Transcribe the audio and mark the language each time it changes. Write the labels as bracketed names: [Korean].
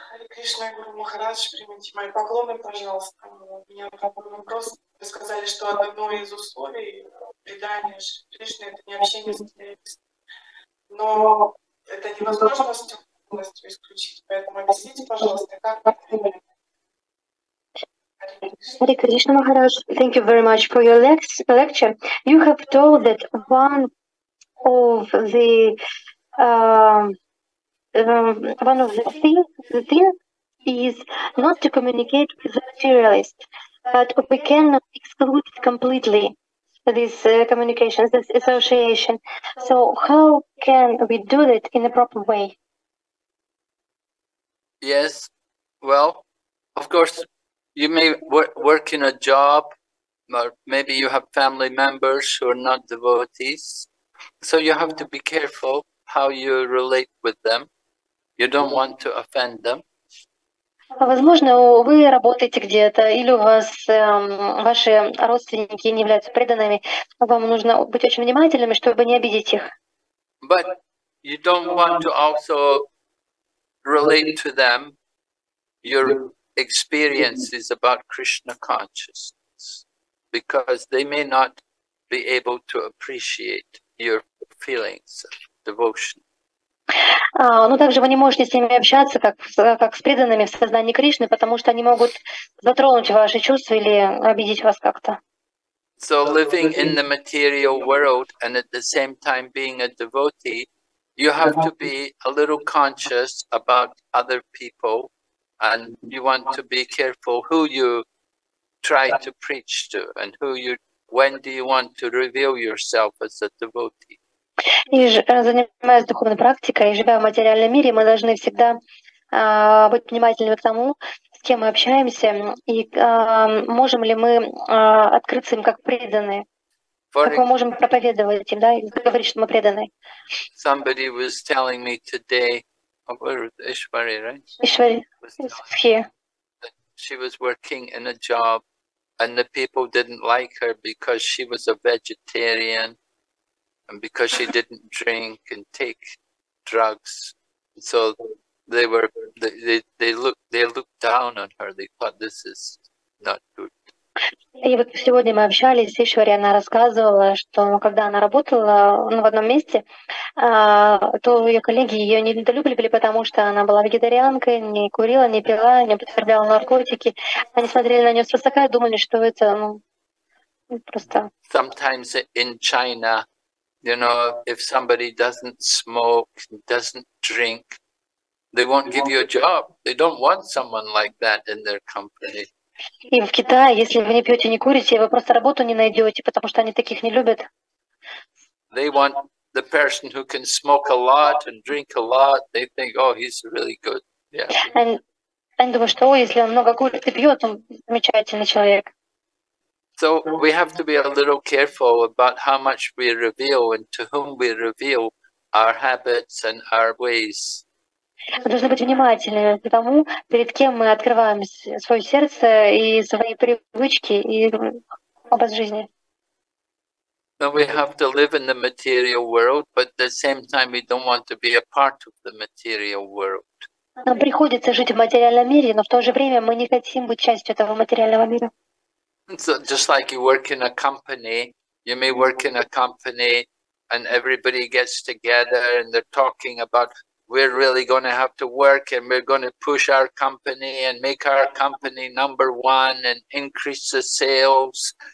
[Russian] Кришна, Гуру Махарадж, примите мои поклоны, пожалуйста. У меня такой вопрос. Вы сказали, что одно из условий предания Кришны — это не общение с материалистом. Но это невозможно полностью исключить. Поэтому объясните, пожалуйста, как это делать. [English] Hare Krishna Maharaj, thank you very much for your lecture. You have told that one of the one of the things is not to communicate with the materialist, but we cannot exclude it completely, this communication, this association. So how can we do it in a proper way? Yes, well, of course, you may work in a job, or maybe you have family members who are not devotees. So you have to be careful how you relate with them. You don't want to offend them. [Russian] Возможно, вы работаете где-то, или у вас ваши родственники не являются преданными. Вам нужно быть очень внимательными, чтобы не обидеть их. [English] But you don't want to also relate to them your experiences about Krishna consciousness, because they may not be able to appreciate your feelings of devotion. [Russian] Но также вы не можете с ними общаться, как с преданными в сознании Кришны, потому что они могут затронуть ваши чувства или обидеть вас как-то. [English] So living in the material world and at the same time being a devotee, you have to be a little conscious about other people, and you want to be careful who you try to preach to, and when do you want to reveal yourself as a devotee. [Russian] И занимаясь духовной практикой, и живя в материальном мире, мы должны всегда быть внимательными к тому, с кем мы общаемся, и можем ли мы открыться им как преданные, как мы можем проповедовать им, да, и говорить, что мы преданные. [English] Somebody was telling me today, Ishwari, right? Ishwari is here. She was working in a job, and the people didn't like her because she was a vegetarian. And because she didn't drink and take drugs, so they looked down on her. They thought this is not good. [Russian] И вот сегодня мы общались, и Ишвари она рассказывала, что когда она работала в одном месте, то ее коллеги ее недолюбливали, потому что она была вегетарианкой, не курила, не пила, не употребляла наркотики. Они смотрели на нее свысока и думали, что это просто. [English] Sometimes in China, you know, if somebody doesn't smoke, doesn't drink, they won't give you a job. They don't want someone like that in their company. [Russian] И в Китае, если вы не пьете, не курите, вы просто работу не найдете, потому что они таких не любят. [English] They want the person who can smoke a lot and drink a lot. They think, oh, he's really good. Yeah. [Russian] And думаю, что если он много курит и пьет, он замечательный человек. [English] So we have to be a little careful about how much we reveal and to whom we reveal our habits and our ways. [Russian] Мы должны быть внимательны к тому, перед кем мы открываем свое сердце и свои привычки и образ жизни. [English] So we have to live in the material world, but at the same time we don't want to be a part of the material world. [Russian] Нам приходится жить в материальном мире, но в то же время мы не хотим быть частью этого материального мира. [English] So just like you work in a company, you may work in a company and everybody gets together and they're talking about, we're really going to have to work and we're going to push our company and make our company number one and increase the sales.